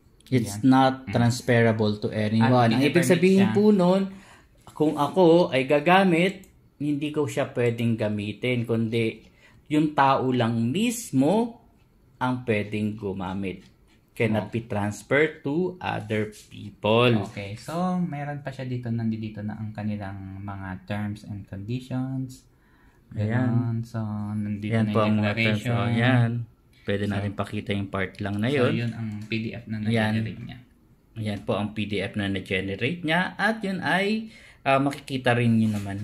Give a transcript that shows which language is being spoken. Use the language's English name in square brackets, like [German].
[English] It's not transferable to anyone. [Filipino] Ang ibig sabihin po nun, kung ako ay gagamit, hindi ko siya pwedeng gamitin, kundi yung tao lang mismo ang pwedeng gumamit. [English] Cannot be transferred to other people. [Filipino] Okay, so meron pa siya dito, nandito na ang kanilang mga [English] terms and conditions. [Filipino] Ayan. So, nandito ayan na yung declaration. Ayan. Pwede natin pakita yung part lang na yun. So, yun ang PDF na na-generate niya. Ayan po ang PDF na na-generate niya. At yun ay makikita rin niyo naman.